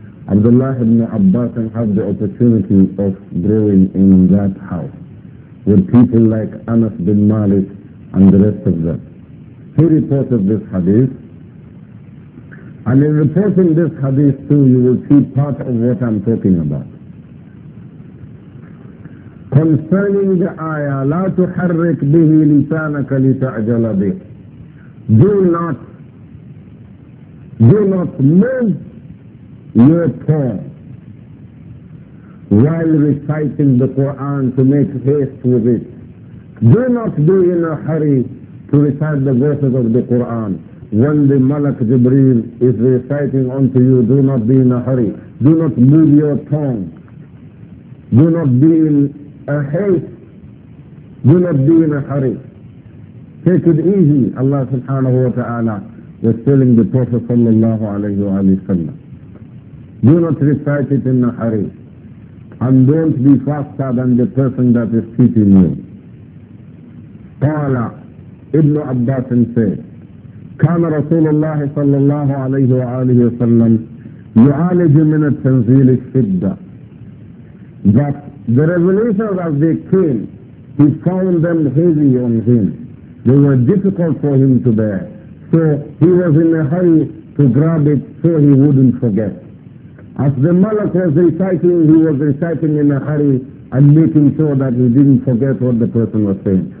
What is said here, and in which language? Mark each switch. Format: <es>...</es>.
<en>Abdullah ibn Abbas had the opportunity of growing in that house with people like Anas bin Malik and the rest of them. He reported this hadith, and in reporting this hadith too, you will see part of what I'm talking about. Concerning the ayah,</en> <ar>لا تحرك به لسانك لتعجل به.</ar> <en>Do not move your tongue while reciting the Quran to make haste with it. Do not be in a hurry to recite the verses of the Quran. When the Malak Jibreel is reciting unto you, do not be in a hurry. Do not move your tongue. Do not be in a haste. Do not be in a hurry. Take it easy. Allah subhanahu wa ta'ala was telling the Prophet sallallahu alayhi wa sallam, do not recite it in a hurry, and don't be faster than the person that is teaching you.</en> <ar>Qala,</ar> <en>Ibn Abbas said,</en> <ar>كان رسول الله صلى الله عليه وآله وسلم يعالج من التنزيل الشدة.</ar> <en>That the revelations as they came, he found them heavy on him. They were difficult for him to bear. So he was in a hurry to grab it so he wouldn't forget. As the Malak was reciting, he was reciting in a hurry and making sure that he didn't forget what the person was saying.</en>